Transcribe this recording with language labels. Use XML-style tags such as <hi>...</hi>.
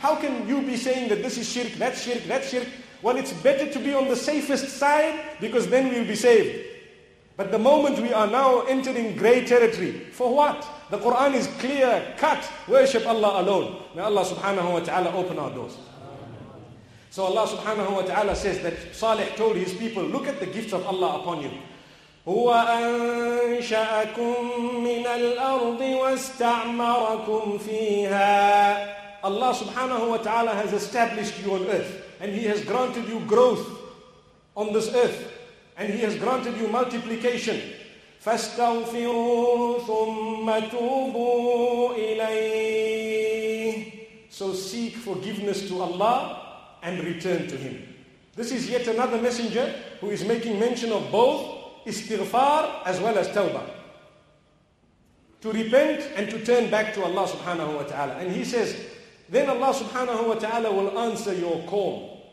<en>How can you be saying that this is shirk, that shirk, that shirk? Well, it's better to be on the safest side because then we'll be saved. But the moment we are now entering grey territory, for what? The Quran is clear, cut, worship Allah alone. May Allah subhanahu wa ta'ala open our doors. So Allah subhanahu wa ta'ala says that Salih told his people, look at the gifts of Allah upon you.</en> <ar>هو أنشأكم من الأرض واستعمركم فيها.</ar> <en>Allah subhanahu wa ta'ala has established you on earth and He has granted you growth on this earth and He has granted you multiplication.</en> <ar>فاستغفروا ثم توبوا إليه.</ar> <en>So seek forgiveness to Allah and return to Him. This is yet another messenger who is making mention of both istighfar as well as tawbah. To repent and to turn back to Allah subhanahu wa ta'ala. And he says, then Allah subhanahu wa ta'ala will answer your call.</en>